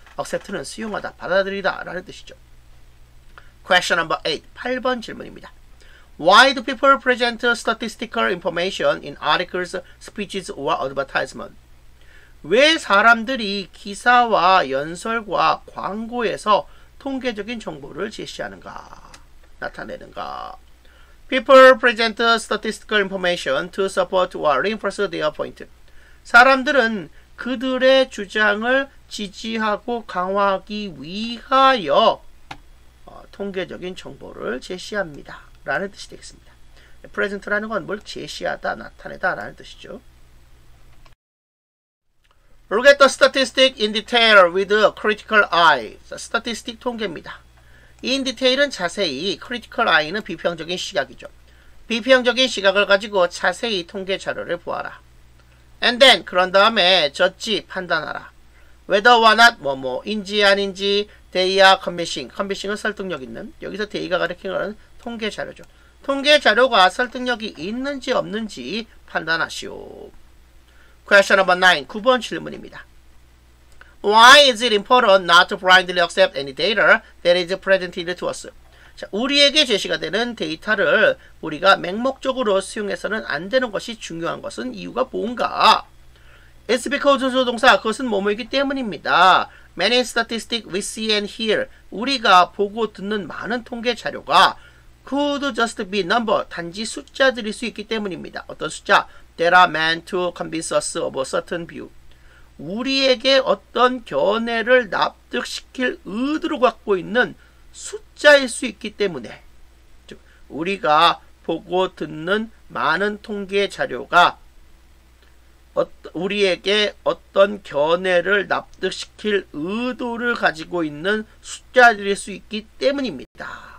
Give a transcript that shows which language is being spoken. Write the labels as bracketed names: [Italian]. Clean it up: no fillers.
[Korean] accept는 수용하다, 받아들이다 라는 뜻이죠. [English] question number 8, [Korean] 8번 질문입니다. [English] Why do people present statistical information in articles, speeches, or advertisement? [Korean] 왜 사람들이 기사와 연설과 광고에서 통계적인 정보를 제시하는가? 나타내는가? [English] People present statistical information to support or reinforce their point. [Korean] 사람들은 그들의 주장을 지지하고 강화하기 위하여 통계적인 정보를 제시합니다. 라는 뜻이 되겠습니다. present라는 건 뭘 제시하다, 나타내다 라는 뜻이죠. [English] look at the statistic in detail with a critical eye. [Korean] statistic 통계입니다. in detail은 자세히, critical eye는 비평적인 시각이죠. 비평적인 시각을 가지고 자세히 통계 자료를 보아라. [English] and then, [Korean] 그런 다음에 [English] judge, [Korean] 판단하라. [English] whether or not, [Korean] 뭐뭐, 인지 아닌지, [English] they are convincing. [Korean] convincing은 설득력 있는, 여기서 they가 가리킨 거는 통계 자료죠. 통계 자료가 설득력이 있는지 없는지 판단하시오. [English] Question number 9, [Korean] 9번 질문입니다. [English] Why is it important not to blindly accept any data that is presented to us? [Korean] 자, 우리에게 제시가 되는 데이터를 우리가 맹목적으로 수용해서는 안 되는 것이 중요한 것은 이유가 뭔가? [English] It's because [Korean] 조동사, 그것은 뭐뭐이기 때문입니다. [English] Many statistics we see and hear, [Korean] 우리가 보고 듣는 많은 통계 자료가 [English] could just be number, [Korean] 단지 숫자들일 수 있기 때문입니다. 어떤 숫자? [English] that are meant to convince us of a certain view. [Korean] 우리에게 어떤 견해를 납득시킬 의도를 갖고 있는 숫자일 수 있기 때문에, 즉 우리가 보고 듣는 많은 통계 자료가 우리에게 어떤 견해를 납득시킬 의도를 가지고 있는 숫자들일 수 있기 때문입니다.